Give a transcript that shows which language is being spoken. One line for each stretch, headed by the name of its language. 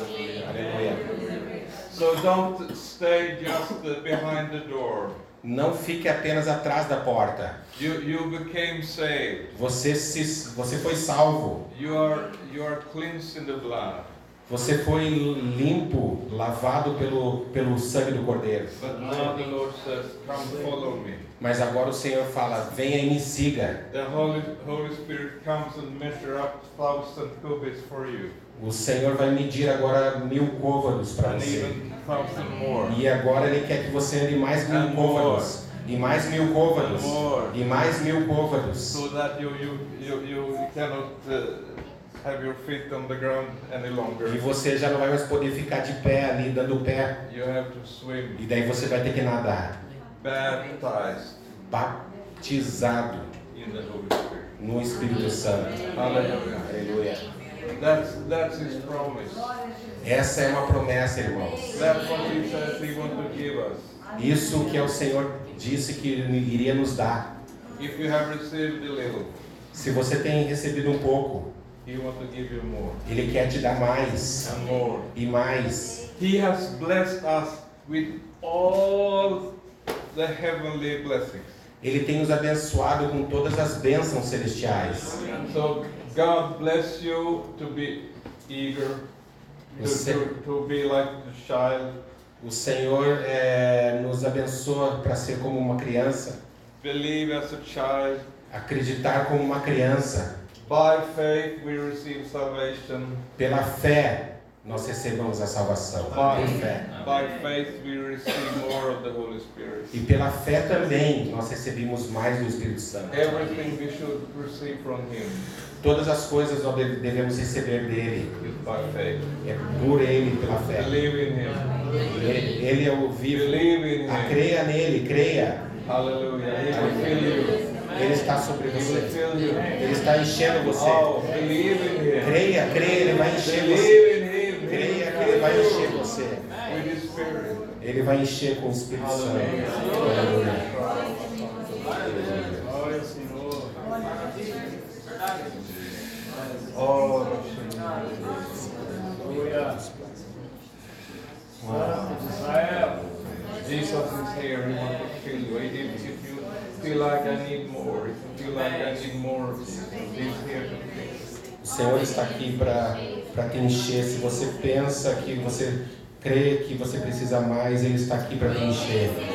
English: Aleluia. So don't stay just behind the door.
Portuguese: Não fique apenas atrás da porta.
English: You became saved.
Portuguese: Você foi salvo.
English: You are cleansed in the blood.
Portuguese: Você foi limpo, lavado pelo sangue do Cordeiro.
English: But now the Lord says, come follow me.
Portuguese: Mas agora o Senhor fala, venha e me siga.
English: The Holy Spirit comes and measure up 1,000 cubits for you.
Portuguese: O Senhor vai medir agora 1,000 côvados para você. E agora Ele quer que você ande mais 1,000 côvados. E mais 1,000 côvados. E mais 1,000 côvados.
English: So that you cannot have your feet on the ground any longer.
Portuguese: E você já não vai mais poder ficar de pé ali, dando pé.
English: You have to swim.
Portuguese: E daí você vai ter que nadar.
English: Baptized.
Portuguese: Batizado.
English: In the Holy Spirit.
Portuguese: No Espírito Santo.
English: Hallelujah.
Portuguese: Aleluia.
English: That's his promise.
Portuguese: Essa é uma promessa, irmãos.
English: That's what he says he wants to give us.
Portuguese: Isso que o Senhor disse que Ele iria nos dar.
English: If you have received a little,
Portuguese: se você tem recebido um pouco,
English: he wants to give you more.
Portuguese: Ele quer te dar mais.
English: And more.
Portuguese: E mais.
English: He has blessed us with all the heavenly blessings.
Portuguese: Ele tem nos abençoado com todas as bênçãos celestiais.
English: So, God bless you to be eager to be like a child.
Portuguese: O Senhor nos abençoa para ser como uma criança.
English: Believe as a child.
Portuguese: Acreditar como uma criança.
English: By faith we receive salvation.
Portuguese: Pela fé nós recebemos a salvação.
English: By faith we receive more of the Holy Spirit.
Portuguese: E pela fé também nós recebemos mais do Espírito Santo.
English: Everything we should receive from Him.
Portuguese: Todas as coisas nós devemos receber dele.
English: Perfect.
Portuguese: É por ele, pela fé.
English: Believe in him.
Portuguese: Ele é o vivo.
English: Believe in him.
Portuguese: Creia nele, creia.
English: Hallelujah.
Portuguese: Ele está sobre você.
English: You.
Portuguese: Ele está enchendo você.
English: Oh, believe in him.
Portuguese: Creia, ele vai encher
English: believe
Portuguese: você. Creia que ele vai encher você. Ele vai encher com o Espírito Santo. Aleluia.
English: Oh, Jesus. Wow. Jesus is here. He wants to fill you. If you feel like I need more, if you feel like I need more, he's here to fill
Portuguese: you. O Senhor está aqui para te encher. Se você pensa que você crê que você precisa mais, Ele está aqui para te encher.